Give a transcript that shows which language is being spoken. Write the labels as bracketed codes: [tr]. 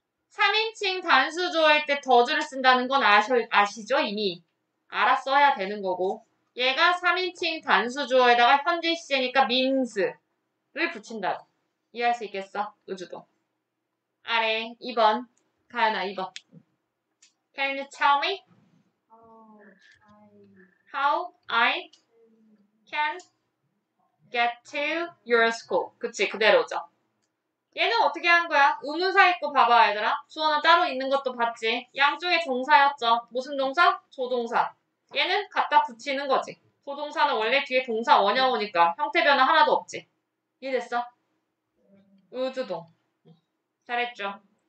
[ko] 3인칭 단수조할 때 does를 쓴다는 건 아시죠? 이미. 알았어야 되는 거고. 얘가 3인칭 단수조에다가 현재 시제니까 means를 붙인다고. 이해할 수 있겠어? 우주동. 아래, 2번. 가연아, 2번. [en] Can you tell me how I can get to your school? [ko] 그치, 그대로죠. 얘는 어떻게 한 거야? 의문사 있고 봐봐, 얘들아. 주어는 따로 있는 것도 봤지. 양쪽에 동사였죠. 무슨 동사? 조동사. 얘는 갖다 붙이는 거지. 조동사는 원래 뒤에 동사 원형 오니까 형태 변화 하나도 없지. 이해됐어? 의주동. 잘했죠.